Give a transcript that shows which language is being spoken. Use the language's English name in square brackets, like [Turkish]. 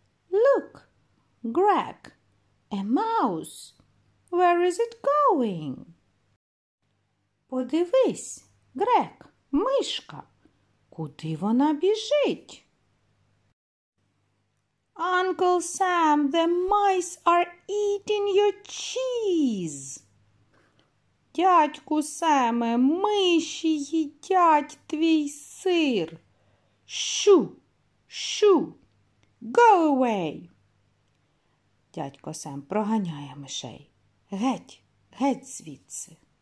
[English] Look, Greg. A mouse. Where is it going? [Ukrainian] Подивись, Грек, мишка, куди вона біжить? [English] Uncle Sam, the mice are eating your cheese. [Ukrainian] Дядьку Семе, миші їдять твій сир. [English] Шу, шу, go away. [Ukrainian] Дядько Сем проганяє мишей. Геть, геть звідси.